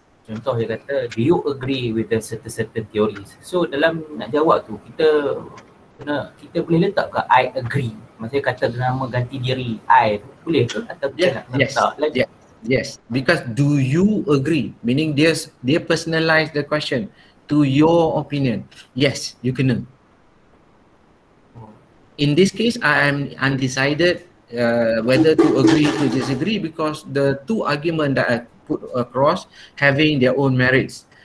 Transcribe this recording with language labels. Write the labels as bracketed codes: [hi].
[ms] Contoh dia kata, [en] do you agree with the certain theories? [ms] So dalam nak jawab tu kita kena, kita boleh letak ke [en] I agree? [ms] Maksudnya kata nama ganti diri I tu, boleh ke atau tidak? [en] Yes. Yes. Because do you agree, meaning [ms] dia [en] personalize the question to your opinion. Yes, you [ms] kena. [en] In this case, I am undecided whether to agree to disagree, because the two argument that I put across having their own merits.